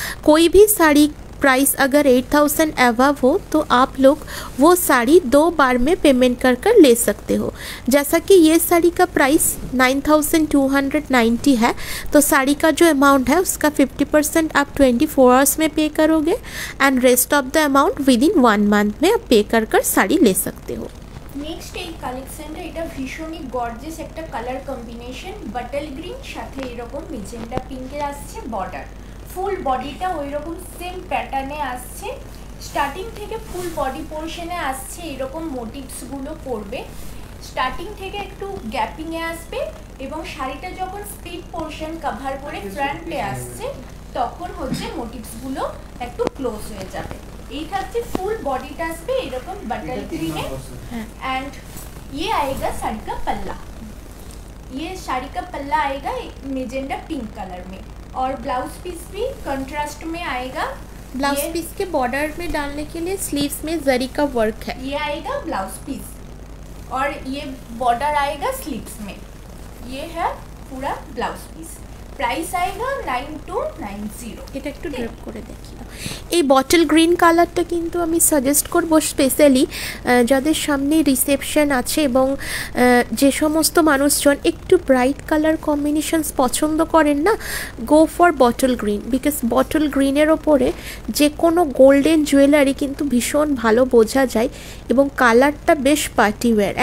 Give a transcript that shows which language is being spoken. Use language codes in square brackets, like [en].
[hi] कोई भी साड़ी प्राइस अगर 8000 अबव हो तो आप लोग वो साड़ी दो बार में पेमेंट कर ले सकते हो। जैसा कि ये साड़ी का प्राइस 9290 है, तो साड़ी का जो अमाउंट है उसका 50% आप 24 आवर्स में पे करोगे, [en] and rest of the amount within one month [hi] में आप पे कर साड़ी ले सकते हो। [bn] নেক্সট এই কালেকশনটা, এটা ভীষণই গর্জিয়াস একটা কালার কম্বিনেশন, বাটল গ্রিন সাথে এরকম মেজেন্ডা পিঙ্কে আসছে বর্ডার। ফুল বডিটা ওই রকম সেম প্যাটার্নে আসছে, স্টার্টিং থেকে ফুল বডি পোর্শনে আসছে এরকম মোটিভসগুলো পড়বে, স্টার্টিং থেকে একটু গ্যাপিংয়ে আসবে, এবং শাড়িটা যখন স্পিড পোর্শন কাভার করে ফ্রন্টে আসছে তখন হচ্ছে মোটিভসগুলো একটু ক্লোজ হয়ে যাবে। এই থাকছে ফুল বডিটা আসবে এরকম বাটার গ্রিনে, [hi] অ্যান্ড ইয়ে আয়েগা শাড়ি কা পাল্লা, ইয়ে শাড়ি কা পাল্লা আয়েগা মেজেন্ডা পিঙ্ক কালার মে, और ब्लाउज पीस भी कंट्रास्ट में आएगा। ब्लाउज पीस के बॉर्डर में डालने के लिए स्लीव्स में जरी का वर्क है, ये आएगा ब्लाउज पीस और ये बॉर्डर आएगा स्लीव्स में, ये है पूरा ब्लाउज पीस। প্রাইস আইগা 9290। [bn] এটা একটু ড্রপ করে দেখি। এই বটল গ্রিন কালারটা কিন্তু আমি সাজেস্ট করব স্পেশালি যাদের সামনে রিসেপশন আছে, এবং যে সমস্ত মানুষজন একটু ব্রাইট কালার কম্বিনেশনস পছন্দ করেন না, [en] go for bottle green, because [bn] bottle গ্রিনের ওপরে যে কোনো গোল্ডেন জুয়েলারি কিন্তু ভীষণ ভালো বোঝা যায়, এবং কালারটা বেশ পার্টিওয়্যার।